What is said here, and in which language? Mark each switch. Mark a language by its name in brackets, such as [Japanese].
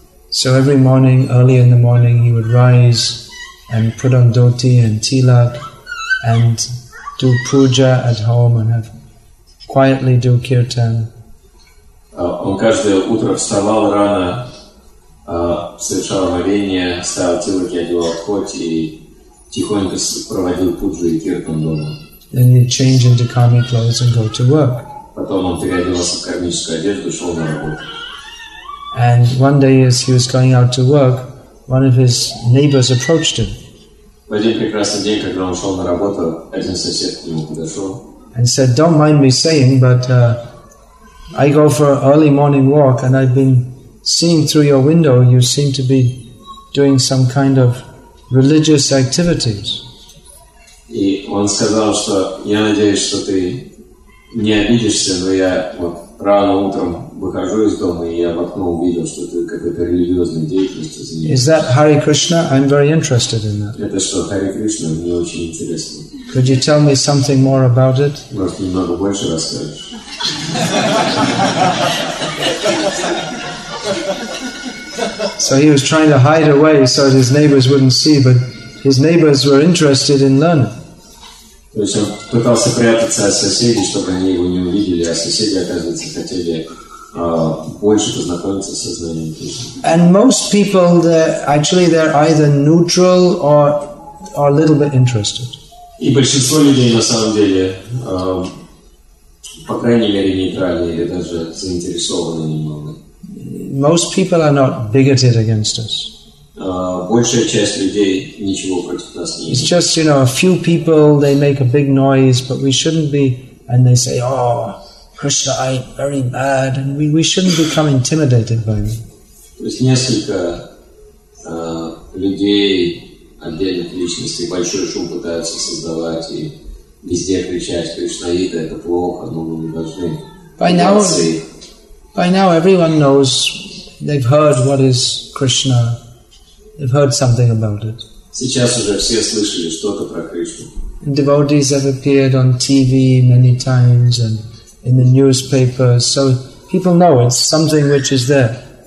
[English] So every morning, early in the morning, he would rise and put on dhoti and tilak and do puja at home and have quietly do kirtan. [Russian] Он каждое утро вставал рано, совершал омовение, ставил тилаки, одевал коти и тихонько проводил пуджу и киртан дома. [English] Then he'd change into kami clothes and go to work. [Russian] Потом он переодевался в кармическую одежду и шел на работу. [English] And one day as he was going out to work, one of his neighbors approached him. [Russian] В один прекрасный день, когда он шел на работу, один сосед к нему подошел. [English] And said, "Don't mind me saying, but I go for an early morning walk, and I've been seeing through your window, you seem to be doing some kind of religious activities." [Russian] И он сказал, что я надеюсь, что ты не обидишься, но я вот рано утром выхожу из дома, и я в окно увидел, что ты какой-то религиозной деятельностью занимаешься. [English] Is that Hare Krishna? I'm very interested in that. [Russian] Это что, Hare Krishna? Мне очень интересно. [English] Could you tell me something more about it? [Russian] Может, немного больше расскажешь? [English] So he was trying to hide away so that his neighbors wouldn't see, but his neighbors were interested in learning. [Russian] То есть он пытался прятаться от соседей, чтобы они его не увидели, а соседи, оказывается, хотели больше познакомиться со знанием Кришны. [English] And most people, they're either neutral or a little bit interested. [Russian] И большинство людей, на самом деле, по крайней мере, нейтральны или даже заинтересованы немного. [English] Most people are not bigoted against us. [Russian] Большая часть людей ничего против нас не имеет. [English] It's just, you know, a few people, they make a big noise, but we shouldn't be, and they say, "Oh, Krishna, I'm very bad," and we shouldn't become intimidated by them. [Russian] То есть несколько людей, отдельных личностей, большой шум пытаются создавать и везде кричать, Кришнаита, это плохо, но мы не должны. [English] By now everyone knows, they've heard what is Krishna. They've heard something about it. [Russian] Сейчас уже все слышали что-то про Кришну. [English] And devotees have appeared on TV many times and in the newspapers, so people know it's something which is there.